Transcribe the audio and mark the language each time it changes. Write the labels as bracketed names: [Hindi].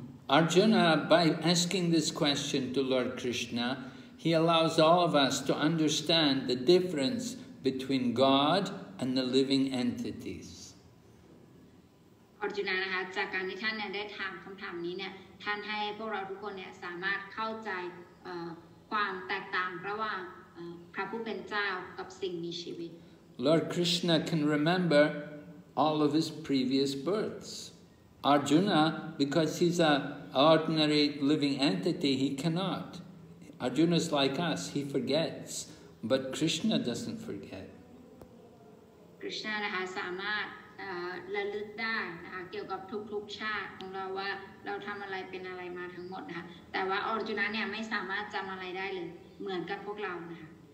[English] Arjuna, by asking this question to Lord Krishna, he allows all of us to understand the difference between God and the living entities. [Thai] Arjuna, จากการที่ท่านได้ถามคำถามนี้เนี่ยท่านให้พวกเราทุกคนเนี่ยสามารถเข้าใจความแตกต่างระหว่างพระผู้เป็นเจ้ากับสิ่งมีชีวิต [English] Lord Krishna can remember all of his previous births Arjuna because he's a ordinary living entity he cannot Arjuna's like us he forgets but Krishna doesn't forget [Thai] Krishna นะคะสามารถระลึกได้นะคะเกี่ยวกับทุกๆชาติของเราว่าเราทำอะไรเป็นอะไรมาทั้งหมดนะคะแต่ว่าอร์จุนะเนี่ยไม่สามารถจำอะไรได้เลยเหมือนกับพวกเรานะคะ